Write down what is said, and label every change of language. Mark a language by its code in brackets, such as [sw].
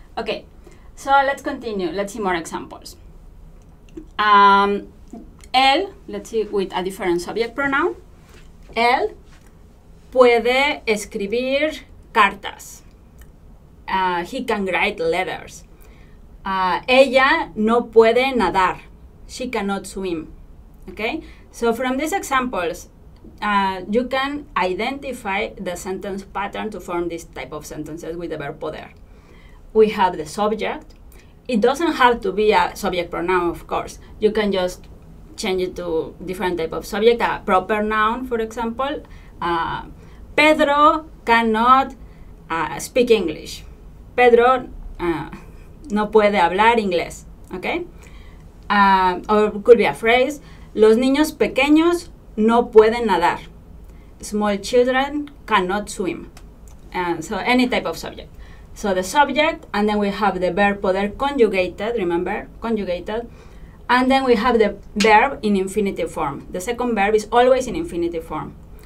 [en] Okay, so let's continue. Let's see more examples. Él, let's see with a different subject pronoun. [es] Él puede escribir cartas. [en] He can write letters. [es] Ella no puede nadar. [en] She cannot swim. Okay? So from these examples, you can identify the sentence pattern to form this type of sentences with the verb poder. We have the subject. It doesn't have to be a subject pronoun, of course. You can just change it to different type of subject, a proper noun, for example. Pedro cannot speak English. [es] Pedro no puede hablar inglés, okay? [en] Or could be a phrase, [es] los niños pequeños no pueden nadar. [en] Small children cannot swim. So any type of subject. So the subject, and then we have the verb poder conjugated, remember, conjugated. And then we have the verb in infinitive form. The second verb is always in infinitive form.